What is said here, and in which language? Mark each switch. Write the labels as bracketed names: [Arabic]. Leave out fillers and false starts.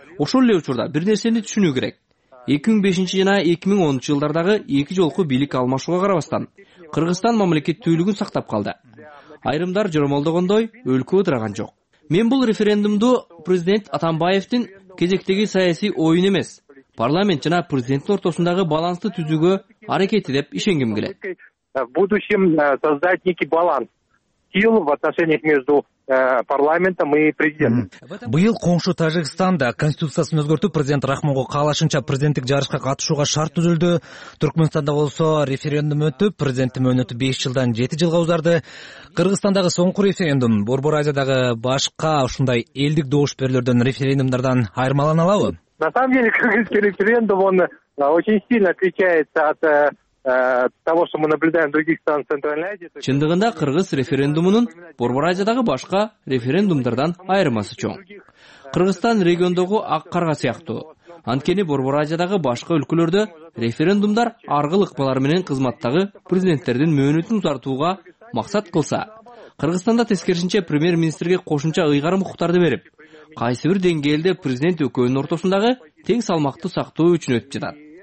[Kyrgyz] Ошол эле учурда бир нерсени түшүнүү керек. 2005 жана 2010 жылдардагы эки жолку бийлик алмашууга карабастан, Кыргызстан мамлекеттүүлүгүн сактап калды. Айрымдар жоромолдогондой, өлкө ыдыраган жок. Мен бул референдумду президент Атамбаевдин кезектеги саясий оюн эмес, парламент жана президенттин ортосундагы балансты түзүүгө аракети деп ишенгим келет. [Russian] В будущем создать некий баланс сил в отношениях между парламентом и президентом. [Kyrgyz] Быйыл коңшу Тажикстан да конституциясын өзгөртүп, президент Рахмонго каалашынча президенттик жарышка катышууга шарт түзүлдү. Түркмөнстанда болсо референдум өтүп, президенттин мөөнөтү 5 жылдан 7 жылга узарды. Кыргызстандагы соңку референдум Борбор Азиядагы башка ушундай элдик добуш берүүлөрдөн референдумдардан айырмалана алабы? [Russian] На самом деле, кыргызский референдум он очень сильно отличается от того, что мы наблюдаем в других странах Центральной Азии. [Kyrgyz] Чындыгында кыргыз референдумунун Борбор Азиядагы башка референдумдардан айырмасы чоң. Кыргызстан региондогу ак карга сыяктуу. Анткени Борбор Азиядагы башка өлкөлөрдө референдумдар аргыл ыкмалар менен кызматтагы президенттердин мөөнөтүн узартууга максат кылса, Кыргызстанда тескерисинче премьер-министрге кошумча ыйгарым укуктарды берип, кайсы бир деңгээлде президент экөөнүн ортосундагы тең салмакты сактоо үчүн өтүп жатат.